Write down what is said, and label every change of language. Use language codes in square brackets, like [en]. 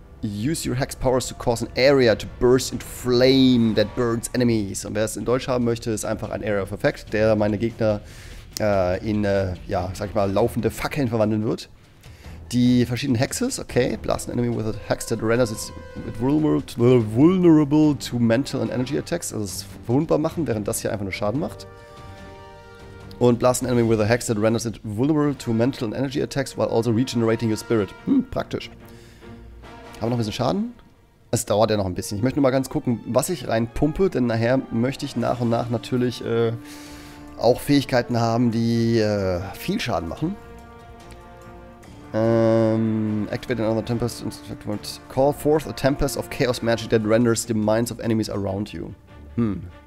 [en] Use your Hex Powers to cause an area to burst into flame that burns enemies. [de] Und wer es in Deutsch haben möchte, ist einfach ein Area of Effect, der meine Gegner... laufende Fackeln verwandeln wird. Die verschiedenen Hexes, okay. [en] Blast an enemy with a hex that renders it vulnerable to mental and energy attacks. [de] Also es verwundbar machen, während das hier einfach nur Schaden macht. Und [en] blast an enemy with a hex that renders it vulnerable to mental and energy attacks while also regenerating your spirit. [de] Hm, praktisch. Haben wir noch ein bisschen Schaden? Es dauert ja noch ein bisschen. Ich möchte nur mal ganz gucken, was ich reinpumpe, denn nachher möchte ich nach und nach natürlich, auch Fähigkeiten haben, die viel Schaden machen. [en] Activate another Tempest [de] und [en] call forth a Tempest of Chaos Magic that renders the minds of enemies around you. Hm.